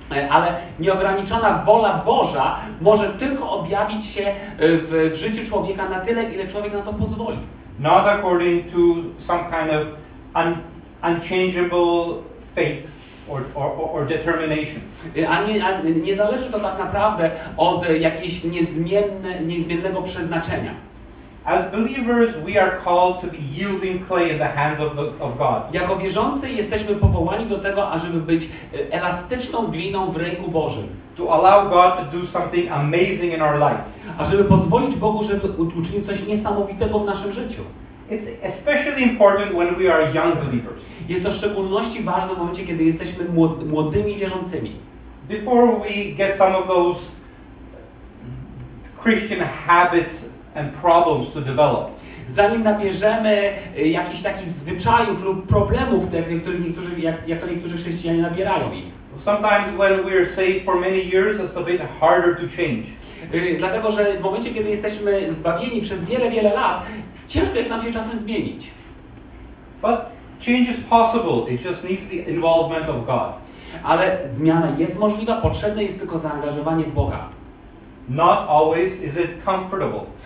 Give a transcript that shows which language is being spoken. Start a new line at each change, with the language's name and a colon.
Polish: Ale nieograniczona wola Boża może tylko objawić się w życiu człowieka na tyle, ile człowiek na to pozwoli.
English: Not according to some kind of unchangeable fate or determination.
Polish: A nie zależy to tak naprawdę od jakiejś niezmiennego przeznaczenia.
English: As believers, we are called to be yielding clay in the hands of God.
Polish: Jako wierzący jesteśmy powołani do tego, ażeby być elastyczną gliną w ręku Bożym.
English: To allow God to do something amazing in our life.
Polish: Ażeby pozwolić Bogu, żeby uczynił coś niesamowitego w naszym życiu.
English: It's especially important when we are young believers.
Polish: Jest to w szczególności ważne w momencie, kiedy jesteśmy młodymi wierzącymi.
English: Before we get some of those Christian habits and problems to develop.
Polish: Zanim nabierzemy jakichś takich zwyczajów lub problemów, jak to niektórzy chrześcijanie nabierają ich.
English: Sometimes when we are saved for many years, it's a bit harder to change.
Polish: Dlatego, że w momencie, kiedy jesteśmy zbawieni przez wiele, wiele lat, ciężko jest nam się czasem zmienić.
English: But change is possible, it just needs the involvement of God.
Polish: Ale zmiana jest możliwa, potrzebne jest tylko zaangażowanie Boga.
English: Not always is it comfortable.